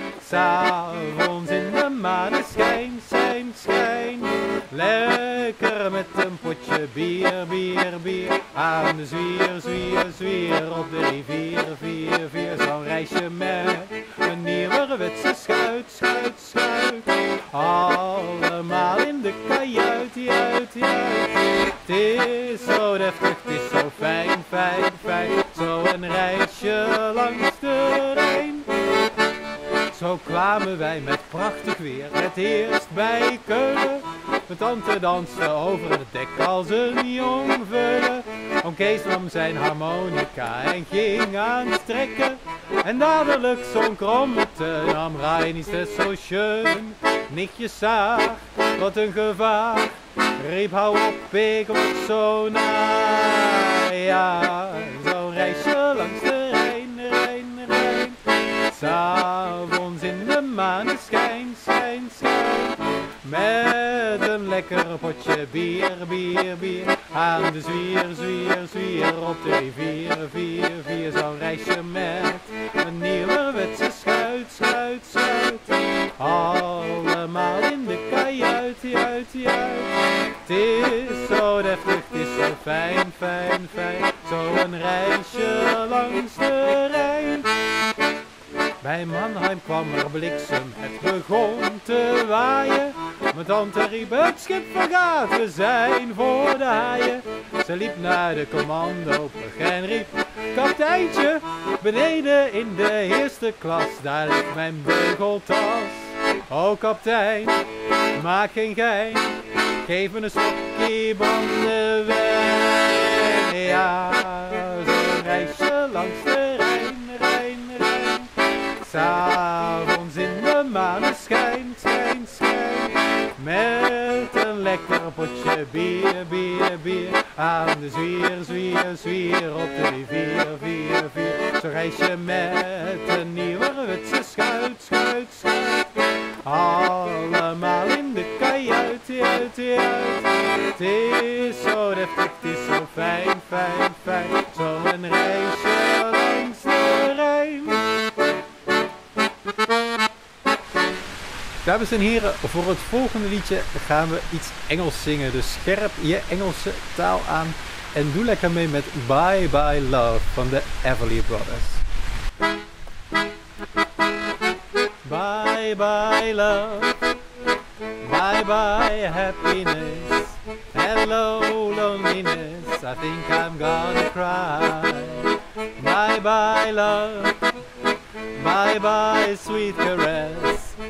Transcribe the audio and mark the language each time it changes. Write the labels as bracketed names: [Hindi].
[Dutch] S'avonds in de maneschijn, schijn, schijn. Lekker met een potje bier, bier, bier. Aan de zwier, zwier, zwier. Op de rivier, vier, vier. Zo'n reisje met een nieuwerwetse schuit, schuit, schuit. Allemaal in de kajuit, juit, juit. Het is zo deftig, het is zo fijn, fijn, fijn. Zo'n reisje langs de Rijn. Zo kwamen wij met prachtig weer het eerst bij Keulen. Mijn tante danste over het dek als een jong veulen. Oom Kees nam zijn harmonica en ging aan het trekken. En dadelijk zo'n krommete nam Reinies de Sochen. Nichtje zag, wat een gevaar. Riep hou op, ik word zo naar. Ja, zo'n reisje langs de Rijn, Rijn, Rijn. S'avonds in de maneschijn, schijn, schijn. Met een lekker potje bier, bier, bier. Aan de zwier, zwier, zwier. Op de rivier, vier, vier. Zo'n reisje met een nieuwerwetse schuit, schuit, schuit. Allemaal in de kajuit, juit, juit. Het is zo deftig, het is zo fijn, fijn, fijn. Zo'n reisje langs de Rijn. Bij Mannheim kwam er bliksem, het begon te waaien. Mijn tante riep, het schip vergaat, we zijn voor de haaien. Ze liep naar de commandobrug en riep, kapteintje, beneden in de eerste klas, daar ligt mijn beugeltas. O kaptein, maak geen gein, geef me een stokje bandewijn. Ja, zo'n reisje langs de Rijn, Rijn, Rijn. S'avonds in de maneschijn, schijn, schijn. Met een lekker potje bier, bier, bier. Aan de zwier, zwier, zwier. Op de rivier, vier, vier. Zo'n reisje met een nieuwerwetse schuit, schuit, schuit. Allemaal in de kajuit, juit, juit. Het is zo deftig, het is zo fijn, fijn, fijn. Zo'n reisje langs de Rijn. Dames en heren, voor het volgende liedje gaan we iets Engels zingen. Dus scherp je Engelse taal aan en doe lekker mee met Bye Bye Love van de Everly Brothers. [English] Bye Bye Love, Bye Bye Happiness, Hello Loneliness, I think I'm gonna cry. Bye Bye Love, Bye Bye Sweet Caress.